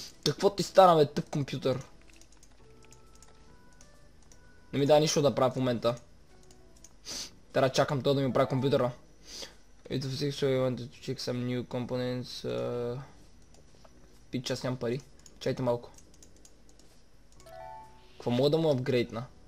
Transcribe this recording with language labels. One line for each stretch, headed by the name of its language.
Bulgarian: Какво ти стана, бе, тъп компютър? Не ми дай нищо да правя в момента. Трябва да чакам той да ми прави компютъра.
English: It was six, so I wanted to check some new components.
Bulgarian: Пич, аз нямам пари. Чайте малко. Какво мога да му апгрейдна?